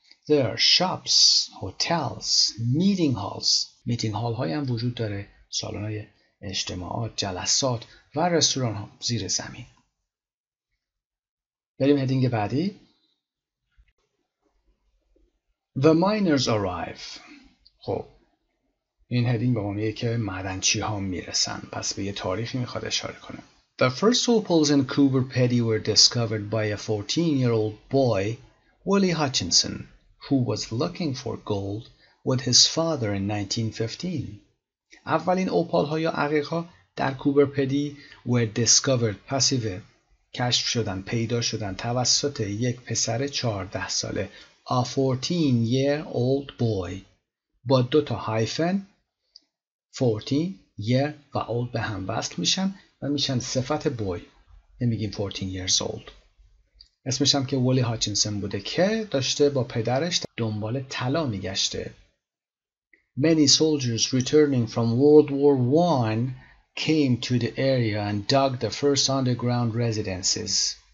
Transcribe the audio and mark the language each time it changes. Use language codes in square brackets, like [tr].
[en] There are shops، hotels، meeting halls، [fa] میتینگ هال های هم وجود داره، سالن های اجتماعات، جلسات و رستوران ها زیر زمین. بریم هدینگ بعدی. [en] The miners arrive. [fa] خب این هدین به معنیه که معدنچی ها میرسن، پس به یه تاریخی میخواد اشاره کنه. [en] The first opals in Cooper Petty were discovered by a 14-year-old boy, Willie Hutchinson, who was looking for gold with his father in 1915. [fa] اولین اوپال ها یا عقیق ها در کوبرپدی [en] were discovered [fa] passive کشف شدن پیدا شدن توسط یک پسر 14 ساله [en] a 14 year old boy [fa] با دو تا هایفن 14 year و old به هم وصل میشن و میشن صفت boy نمیگیم 14 years old اسمش هم که ولی هاچینسون بوده که داشته با پدرش دنبال طلا میگشته [en] Many soldiers returning from World War One came to the area and dug the first underground residences.